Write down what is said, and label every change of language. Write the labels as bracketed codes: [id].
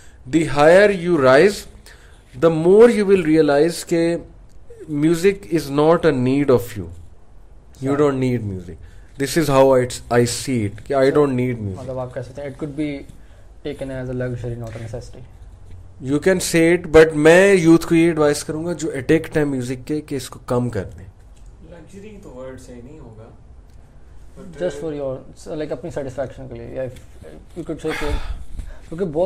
[en] The higher you rise, the more you will realize [ur] کہ [en] music is not a need of you. You don't need music. This is how I see it. کہ I don't need music. [ur] مطلب آپ کہہ سکتے ہیں [en] it could be taken as a luxury, not a necessity. You can say it, but [ur] میں youth کو یہ advise کروں گا جو اٹیکٹ ہے میوزک کے کہ اس کو کم کر دیں. لگژری تو ورڈ صحیح نہیں ہوگا. [en] Just for your like [ur] اپنی سیٹسفیکشن کے لیے, [en] you could say کہ